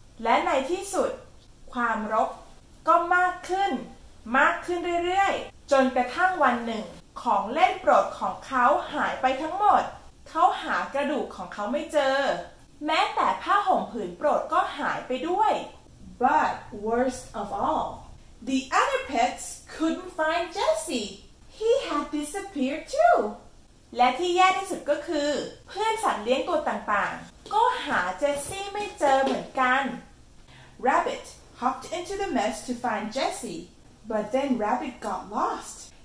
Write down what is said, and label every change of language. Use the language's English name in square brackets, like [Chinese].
[Thai] และในที่สุดความรกก็มากขึ้นมากขึ้นเรื่อยๆจนกระทั่งวันหนึ่งของเล่นโปรดของเขาหายไปทั้งหมดเขาหากระดูกของเขาไม่เจอแม้แต่ผ้าห่มผืนโปรดก็หายไปด้วย [English] But worst of all the other pets couldn't find Jesse he had disappeared too [Thai] และที่แย่ที่สุดก็คือเพื่อนสัตว์เลี้ยงตัวต่างๆก็หาเจสซี่ไม่เจอเหมือนกัน [English] RabbitHopped into the mess to find Jesse, but then Rabbit got lost.